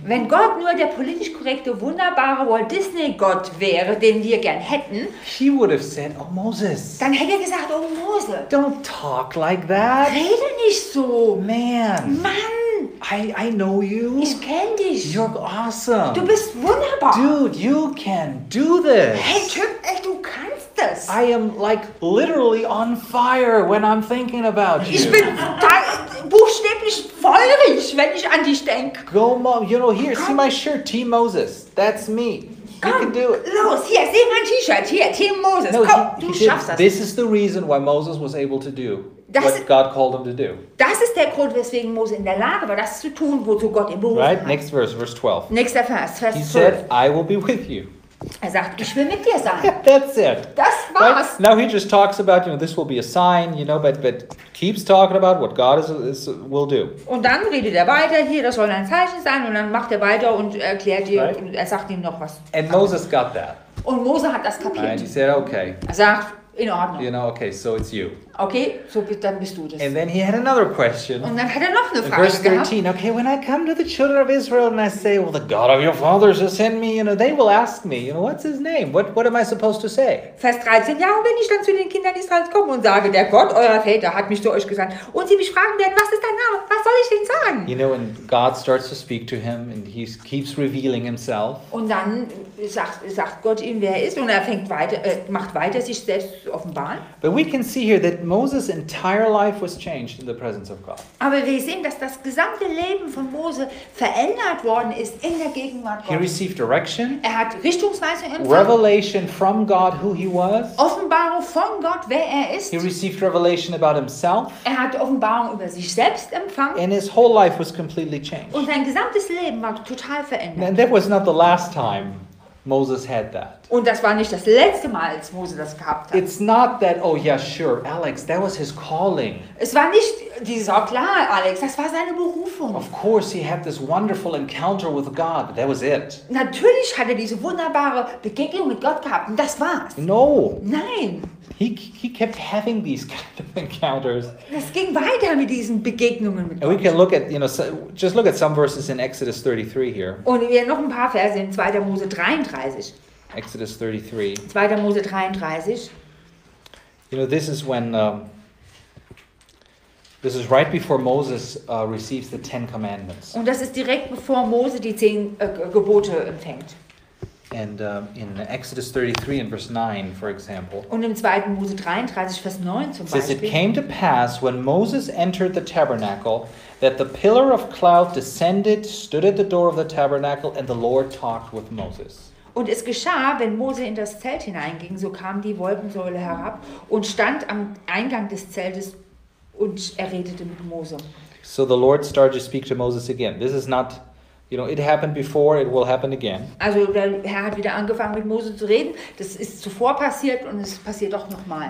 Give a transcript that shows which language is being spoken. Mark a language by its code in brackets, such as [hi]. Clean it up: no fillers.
[de] Wenn Gott nur der politisch korrekte wunderbare Walt Disney Gott wäre, den wir gern hätten. [en] He would have said, "Oh Moses." [de] Dann hätte er gesagt, "Oh Mose." [en] Don't talk like that. [de] Rede nicht so, [en] man. [de] Mann. [en] I know you. [de] Ich kenn dich. [en] You're awesome. [de] Du bist wunderbar. [en] Dude, you can do this. [de] Hey Typ, ey, du kannst das. [en] I am like literally on fire when I'm thinking about you. [de] Ich bin buchstäblich feurig, wenn ich an dich denke. [en] Go, Mom. You know, here, see my shirt, Team Moses. That's me. Come, you can do it. [de] Los, hier, seh mein T-Shirt. Hier, Team Moses. [en] No, [de] komm, du schaffst das. [en] This is the reason why Moses was able to do. What God called him to do. [de] Das ist der Grund, weswegen Mose in der Lage war, das zu tun, wozu Gott ihn berufen hat. [en] Right, next verse, verse 12. [de] Nächster Vers, Vers 12. [en] He said, I will be with you. [de] Er sagt, ich will mit dir sein. [en] Yeah, that's it. [de] Das war's. Right? [en] Now he just talks about, you know, this will be a sign, you know, but keeps talking about what God is will do. [de] Und dann redet er weiter hier, das soll ein Zeichen sein, und dann macht er weiter und erklärt ihm, right? Er sagt ihm noch was. [en] And Moses got that. [de] Und Mose hat das kapiert. [en] And he said, okay. [de] Er sagt, in Ordnung. [en] You know, okay, so it's you. [de] Okay, so dann bist du das. [en] And then he had another question. [de] Und dann hat er noch eine Frage [en] Verse 13, [de] gehabt. [en] Okay, when I come to the children of Israel and I say, well, the God of your fathers has sent me, you know, they will ask me, you know, what's his name? What am I supposed to say? [de] Vers 13, ja, und wenn ich dann zu den Kindern Israels komme und sage, der Gott eurer Väter hat mich zu euch gesandt, und sie mich fragen werden, was ist dein Name? Was soll ich denn sagen? [en] You know, when God starts to speak to him and he keeps revealing himself. [de] Und dann sagt Gott ihm, wer er ist, und er fängt weiter, macht weiter, sich selbst zu offenbaren. [en] But we can see here that Moses' entire life was changed in the presence of God. [de] Aber wir sehen, dass das gesamte Leben von Mose verändert worden ist in der Gegenwart Gottes. [en] He received direction. [de] Er hat Richtungsweisung empfangen. [en] Revelation from God who he was. [de] Offenbarung von Gott, wer er ist. [en] He received revelation about himself. [de] Er hat Offenbarung über sich selbst empfangen. [en] And his whole life was completely changed. [de] Und sein gesamtes Leben war total verändert. [en] And that was not the last time Moses had that. [de] Und das war nicht das letzte Mal, als Mose das gehabt hat. [en] It's not that, oh yeah, sure, Alex, that was his calling. [de] Es war nicht dieses, oh klar, Alex, das war seine Berufung. [en] Of course he had this wonderful encounter with God, but that was it. [de] Natürlich hatte diese wunderbare Begegnung mit Gott gehabt, und das war's. [en] No. [de] Nein. [en] He kept having these kind of encounters. [de] Das ging weiter mit diesen Begegnungen mit Gott. [en] And we can look at, you know, so, just look at some verses in Exodus 33 here. [de] Und wir noch ein paar Verse in 2. Mose 33. [en] Exodus 33. [de] 2. Mose 33. [en] You know, this is when this is right before Moses receives the Ten Commandments. [de] Und das ist direkt bevor Mose die 10 Gebote empfängt. [en] And in Exodus 33 and verse 9, for example. [de] Und im 2. Mose 33, Vers 9 zum Beispiel. [en] Says it came to pass when Moses entered the tabernacle that the pillar of cloud descended, stood at the door of the tabernacle, and the Lord talked with Moses. [de] Und es geschah, wenn Mose in das Zelt hineinging, so kam die Wolkensäule herab und stand am Eingang des Zeltes und er redete mit Mose. [en] So the Lord started to speak to Moses again. This is not, you know, it happened before, it will happen again. [de] Also der Herr hat wieder angefangen mit Mose zu reden. Das ist zuvor passiert und es passiert auch nochmal.